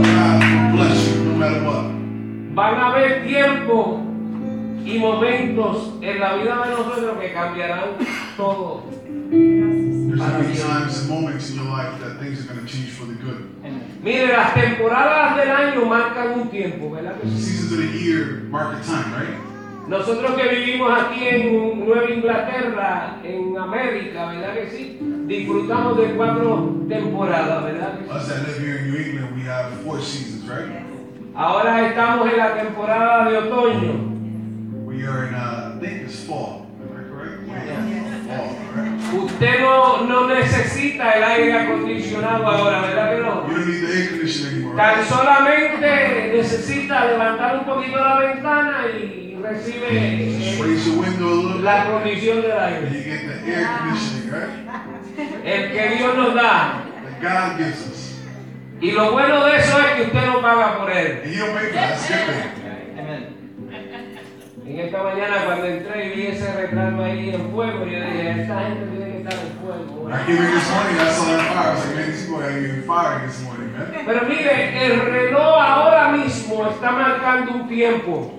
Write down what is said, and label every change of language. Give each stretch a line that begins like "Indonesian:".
Spanish: Van a haber tiempo y momentos en la vida de nosotros que cambiarán todo.
English: There's going to be times and moments in your life that things are going to change for the good.
Spanish: Mire, las temporadas del año marcan un tiempo, ¿verdad?
English: The seasons of the year mark a time, right?
Spanish: Nosotros que vivimos aquí en Nueva Inglaterra, en América, ¿verdad que sí? Disfrutamos de cuatro temporadas, ¿verdad?
English: Us that live here in New England, we have four seasons, right?
Spanish: Ahora estamos en la temporada de otoño.
English: We are in, I think it's fall. Am I correct? Yeah. Fall, right?
Spanish: Usted no necesita el aire acondicionado ahora, ¿verdad que no?
English: You don't need the air conditioning anymore.
Spanish: Tan solamente necesita levantar un poquito la ventana y recibe la condición del aire.
English: And you get the air conditioning, right?
Spanish: El que Dios nos da.
English: That God gives us.
Spanish: Y lo bueno de eso es que usted no paga por él. Y yo me quedo así. En esta mañana cuando entré y vi ese retrato ahí en fuego, yo dije, esta gente tiene que estar en fuego. Aquí me
English: this morning, I saw that fire. I was like, man, this boy ain't in fire this morning, man.
Spanish: Pero mire, el reloj ahora mismo está marcando un tiempo.